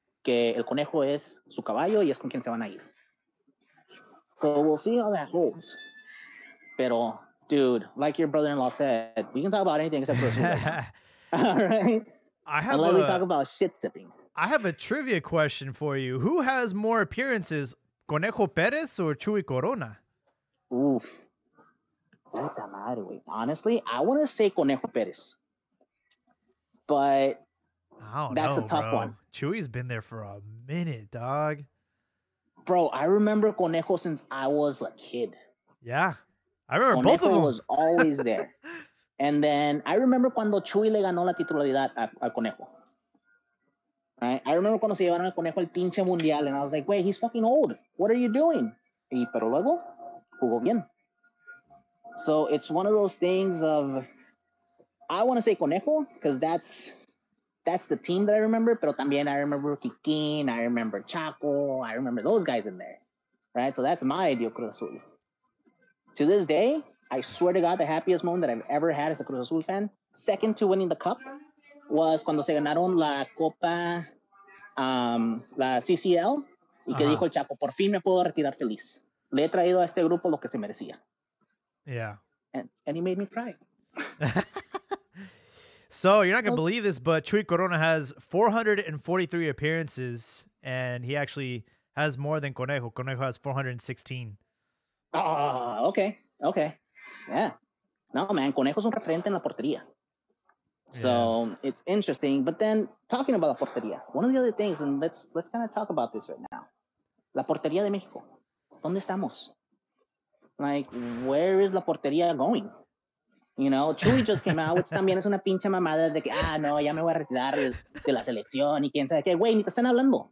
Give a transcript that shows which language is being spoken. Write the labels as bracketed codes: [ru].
[es] Que el Conejo es su caballo y es con quien se van a ir. [en] So we'll see how that goes. Pero, dude, like your brother-in-law said, we can talk about anything except for Cruz Azul. Right? Unless we talk about shit-sipping. I have a trivia question for you. Who has more appearances, Conejo Perez or Chuy Corona? Oof. [es] Puta madre, wey. [en] Honestly, I want to say Conejo Perez. But... That's a tough one. Chewy's been there for a minute, dog. Bro, I remember Conejo since I was a kid. Yeah. I remember Conejo both of them. Was always there. And then I remember [es] cuando Chuy le ganó la titularidad al Conejo. [en] Right? I remember [es] cuando se llevaron al Conejo el pinche mundial. [en] And I was like, wait, he's fucking old. What are you doing? [es] Y pero luego, jugó bien. [en] So it's one of those things of, I want to say Conejo, because that's the team that I remember. Pero también I remember Kikin. I remember Chaco. I remember those guys in there. Right? So that's my ideal Cruz Azul. To this day, I swear to God, the happiest moment that I've ever had as a Cruz Azul fan, second to winning the cup, was [es] cuando se ganaron la Copa, la CCL, y que dijo el Chapo, por fin me puedo retirar feliz. Le he traído a este grupo lo que se merecía. [en] Yeah. And he made me cry. So, you're not going to believe this, but Chuy Corona has 443 appearances, and he actually has more than Conejo. Conejo has 416. Okay. Yeah. [es] No, man, Conejo's un referente en la portería. [en] So it's interesting. But then talking about la portería, one of the other things, and let's kind of talk about this right now. [es] La portería de México. ¿Dónde estamos? [en] Like, where is la portería going? You know, Chuy just came out, which [es] también es una pinche mamada de que, no, ya me voy a retirar de la selección y quién sabe qué. Güey, ni te están hablando.